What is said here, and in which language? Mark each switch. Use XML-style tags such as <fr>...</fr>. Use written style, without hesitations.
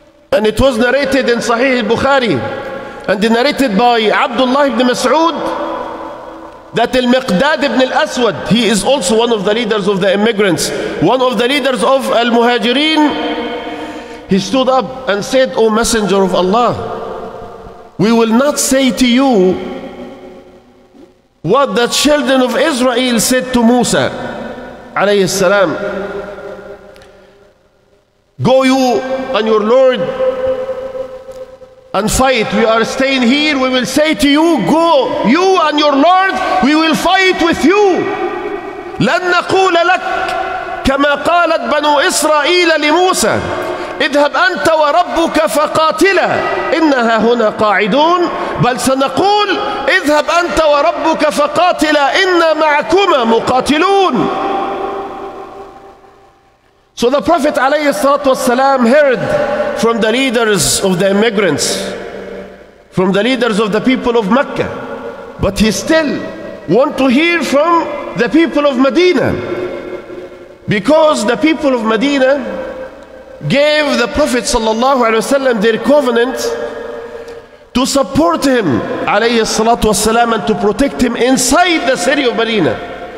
<en>And it was narrated in Sahih al-Bukhari and narrated by Abdullah ibn Mas'ud that al-Miqdad ibn al-Aswad, he is also one of the leaders of the immigrants, one of the leaders of al-Muhajirin, he stood up and said, O Messenger of Allah, we will not say to you what the children of Israel said to Musa alayhi salam. Go you and your Lord and fight. We are staying here. We will say to you, go you and your Lord. We will fight with you.</en> <ar>لن نقول لك كما قالت بنو إسرائيل لموسى اذهب أنت وربك فقاتلا إنها هنا قاعدون بل سنقول اذهب أنت وربك فقاتلا إن معكما مقاتلون.</ar> <en>So the Prophet alayhi salatu wasalam heard from the leaders of the immigrants, from the leaders of the people of Mecca, but he still want to hear from the people of Medina, because the people of Medina gave the Prophet sallallahu alayhi wasallam their covenant to support him alayhi salatu wasalam and to protect him inside the city of Medina.</en>